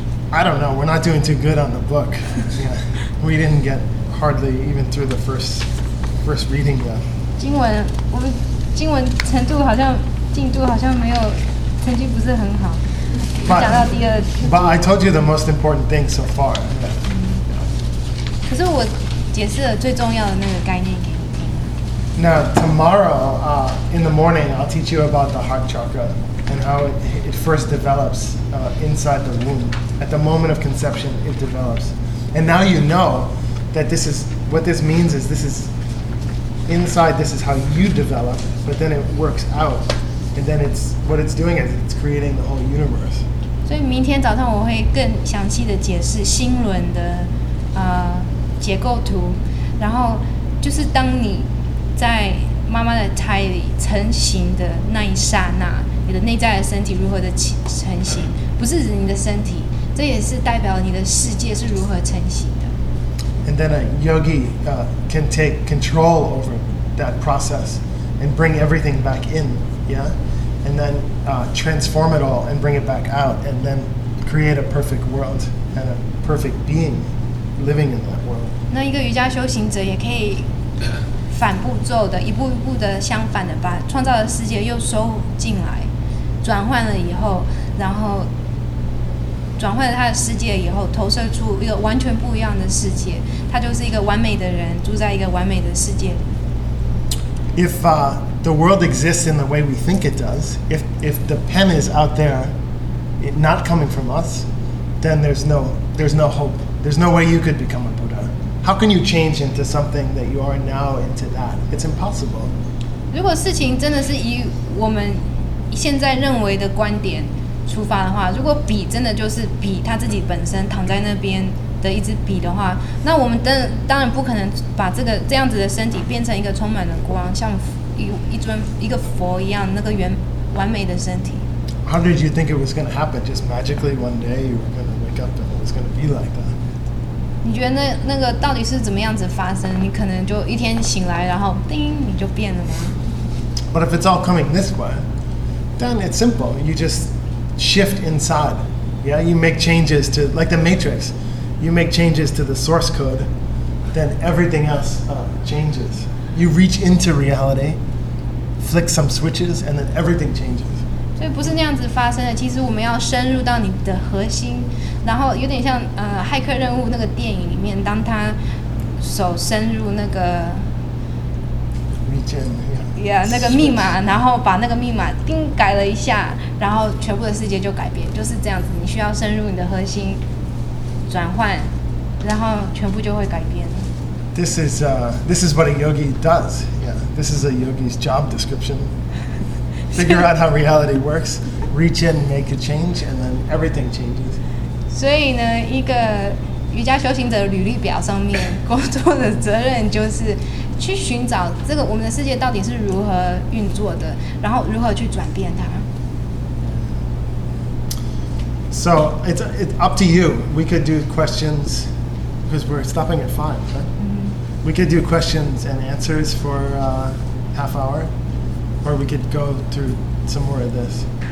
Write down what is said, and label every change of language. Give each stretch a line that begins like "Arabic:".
English: I don't know. We're not doing too good on the book. Yeah. We didn't get hardly even through the first reading yet.
Chinese: 经文程度好像进度好像没有成绩不是很好。
English: But I told you the most important thing so far.
Chinese: 可是我解释了最重要的那个概念给你听。
English: Now tomorrow, in the morning, I'll teach you about the heart chakra. And how it first develops inside the womb. At the moment of conception, it develops. And now you know that this is what this means is this is inside this is how you develop, but then it works out. And then it's, what it's doing is it's creating the whole universe.
Chinese: 所以明天早上我会更详细的解释星轮的结构图，然后就是当你在妈妈的胎里成型的那一刹那，你的内在的身体如何的成型，不是指你的身体，这也是代表你的世界是如何成型的。
English: And then a yogi can take control over that process and bring everything back in, yeah? And then transform it all and bring it back out and then create a perfect world and a perfect being living in that world.
Chinese: 那一个瑜伽修行者也可以反步骤的，一步一步的相反的把创造的世界又收进来，转换了以后，然后转换了他的世界以后，投射出一个完全不一样的世界。他就是一个完美的人，住在一个完美的世界。
English: If the world exists in the way we think it does, if the pen is out there, it not coming from us, then there's no hope. There's no way you could become a Buddha. How can you change into something that you are now into that? It's impossible.
Chinese: 如果事情真的是以我们现在认为的观点出发的话，如果笔真的就是笔，他自己本身躺在那边的一支笔的话，那我们当然不可能把这样子的身体变成一个充满了光，像一个佛一样那个完美的身体。
English: How did you think it was going to happen? Just magically one day you were going to wake up and it was going to be like that?
Chinese: 你觉得那个到底是怎么样子发生？你可能就一天醒来，然后叮，你就变了吗
English: ？But if it's all coming this way, then it's simple. You just shift inside, yeah. You make changes to like the Matrix. You make changes to the source code, then everything else changes. You reach into reality, flick some switches, and then everything changes.
Chinese: 所以不是那样子发生的。其实我们要深入到你的核心，然后有点像《骇客任务》那个电影里面，当他手深入那个
English: reach in。
Chinese: Yeah, 那个密码，然后把那个密码定改了一下，然后全部的世界就改变，就是这样子。你需要深入你的核心，转换，然后全部就会改变。
English: This is what a yogi does. Yeah, this is a yogi's job description. Figure out how reality works, reach in, make a change, and then everything changes.
Chinese: 所以呢，一个瑜伽修行者履历表上面工作的责任就是。去寻找这个我们的世界到底是如何运作的，然后如何去转变它。
English: So it's up to you. We could do questions because we're stopping at 5, right? Mm-hmm. We could do questions and answers for half hour, or we could go through some more of this.